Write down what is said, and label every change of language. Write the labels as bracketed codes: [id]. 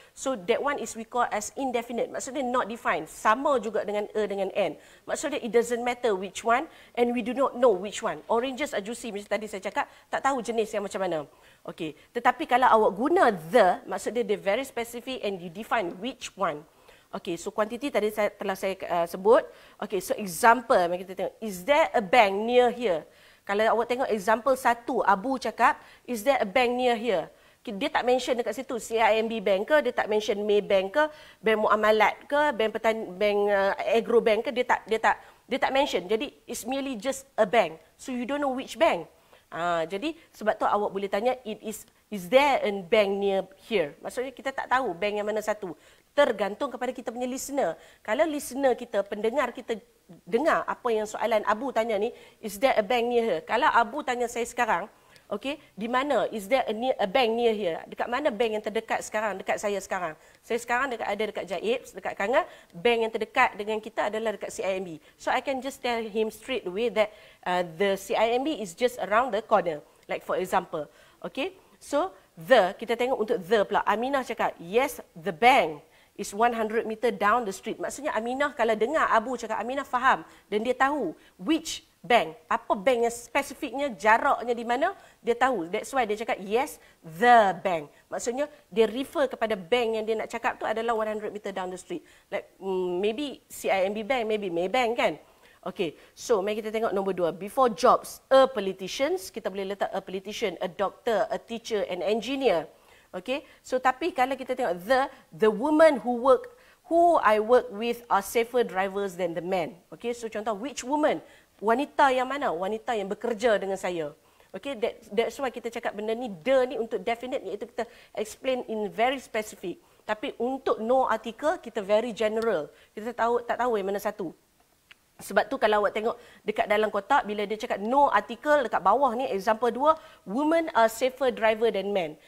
[en] So, that one is we call as indefinite. Maksudnya not defined. [ms] Sama juga dengan a dengan an. [en] Maksudnya it doesn't matter which one and we do not know which one. Oranges are juicy, [ms] macam tadi saya cakap, tak tahu jenis yang macam mana. Okay. Tetapi kalau awak guna the, maksudnya [en] they're very specific and you define which one. [ms] Okay, so quantity tadi telah saya sebut. [en] Okay, so example, [ms] kita tengok, [en] is there a bank near here? [ms] Kalau awak tengok example satu, Abu cakap, [en] is there a bank near here? [ms] Dia tak mention dekat situ, CIMB bank ke, dia tak mention May bank ke, bank muamalat ke, bank agro bank ke, dia tak mention. [en] Jadi, it's merely just a bank. So, you don't know which bank. [ms] Jadi, sebab tu awak boleh tanya, [en] is there a bank near here? [ms] Maksudnya, kita tak tahu bank yang mana satu. Tergantung kepada kita punya listener. Kalau listener kita, pendengar kita, dengar apa yang soalan Abu tanya ni, [en] is there a bank near her? [ms] Kalau Abu tanya saya sekarang, Okey, di mana? [en] Is there a bank near here? [ms] Dekat mana bank yang terdekat sekarang dekat saya sekarang? Saya sekarang dekat ada dekat JAIPs, dekat Kangar. Bank yang terdekat dengan kita adalah dekat CIMB. [en] So I can just tell him straight away that the CIMB is just around the corner. Like for example. Okey. So the, [ms] kita tengok untuk the pula. Aminah cakap, [en] "Yes, the bank is 100 meter down the street." [ms] Maksudnya Aminah kalau dengar Abu cakap, Aminah faham dan dia tahu which bank, apa bank yang spesifiknya, jaraknya di mana, dia tahu. That's why dia cakap, [en] "Yes, the bank." [ms] Maksudnya dia refer kepada bank yang dia nak cakap tu adalah [en] 100 meter down the street. Like maybe CIMB bank, maybe Maybank [ms] kan. Okay, so mari kita tengok nombor dua. [en] Before jobs, a politician, [ms] kita boleh letak [en] a politician, a doctor, a teacher, an engineer. Okay, so [ms] tapi kalau kita tengok [en] the woman who I work with are safer drivers than the men. Okay, so contoh which woman? [ms] Wanita yang mana? Wanita yang bekerja dengan saya. Okay, that's why kita cakap benda ni, the ni untuk definite, iaitu kita [en] explain in very specific. [ms] Tapi untuk no article, kita [en] very general. [ms] Kita tak tahu yang mana satu. Sebab tu kalau awak tengok dekat dalam kotak, bila dia cakap no article dekat bawah ni, example 2, [en] women are safer driver than men.